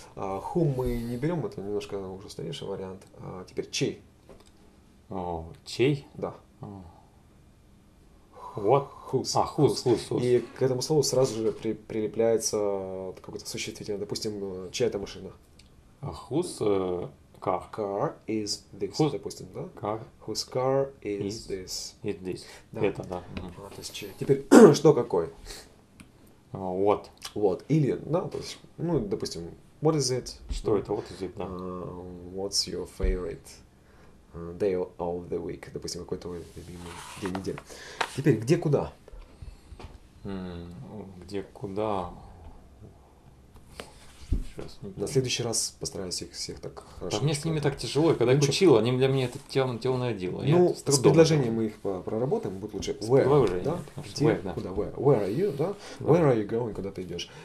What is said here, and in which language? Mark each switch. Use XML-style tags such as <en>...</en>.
<ru>А, who мы не берем, это немножко уже старейший вариант. А, теперь чей? Чей? Да.</ru> <en>What? Who's. А, who's.</en> <ru>И к этому слову сразу же прилепляется какое-то существительное. Допустим, чья это машина?</ru> <en>Who's... Car. Car is this, who's,</en> <ru>допустим, да?</ru> <en>Car. Whose car is this? Is this.</en> <ru>Да. Это, да. А, то есть, теперь, что какой?</ru> <en>What. What.</en> <ru>Или, да, то есть, ну, допустим,</ru> <en>what is it?</en> <ru>Что это,</ru> <en>what is it,</en> <ru>да.</ru> <en>What's your favorite day of the week?</en> <ru>Допустим, какой твой любимый день недели. Теперь, где куда? Где куда? На следующий раз постараюсь их всех так хорошо. Да мне с ними так тяжело, когда я учил, они для меня это темное дело. Ну, с предложением мы их проработаем, будет лучше.</ru> <en>Where,</en> <ru>да? Уже, где,</ru> <en>where, да.</en> <ru>Куда?</ru> <en>Where are you, да? Where are you going,</en> <ru>куда ты идешь?</ru>